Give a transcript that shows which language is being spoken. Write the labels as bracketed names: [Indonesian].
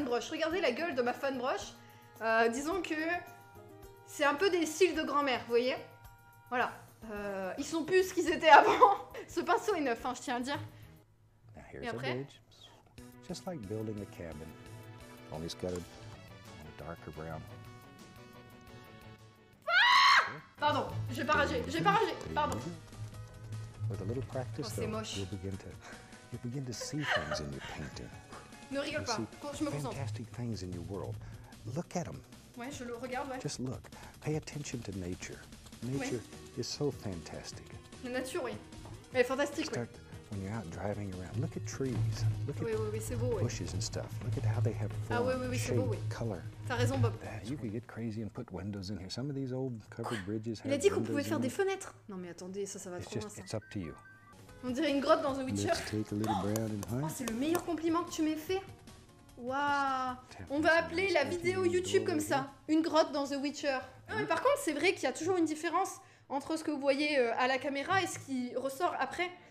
[French] Regardez la gueule de ma fan brush. Disons que c'est un peu des cils de grand-mère, vous voyez. Voilà. Ils sont plus ce qu'ils étaient avant. Ce pinceau est neuf, hein, je tiens à dire. Et après, [English] just like building a cabin, only it's got a darker brown. [French] Pardon, j'ai pas ragé. Pardon. Oh, c'est moche. [English] You begin to see things in your painting. [French] Ne rigole pas, quand je me concentre. [English] Fantastic things in your world. Look at them. [French] Ouais, je le regarde, ouais. [English] Just look. Pay attention to nature. Nature is so fantastic. [French] La nature, oui. Elle est fantastique, oui. [English] When you're out driving around, look at trees. Look at bushes and stuff. Look at how they have form, shape, color. [French] T'as raison, Bob. [English] You could get crazy and put windows in here. Some of these old covered bridges have [French] windows. Il a dit qu'on pouvait faire des fenêtres. Non, mais attendez, ça va trop loin, ça. [English] It's up to you. [French] On dirait une grotte dans The Witcher. Oh, c'est le meilleur compliment que tu m'aies fait. Waouh. On va appeler la vidéo YouTube comme ça. Une grotte dans The Witcher. Non, mais par contre, c'est vrai qu'il y a toujours une différence entre ce que vous voyez à la caméra et ce qui ressort après.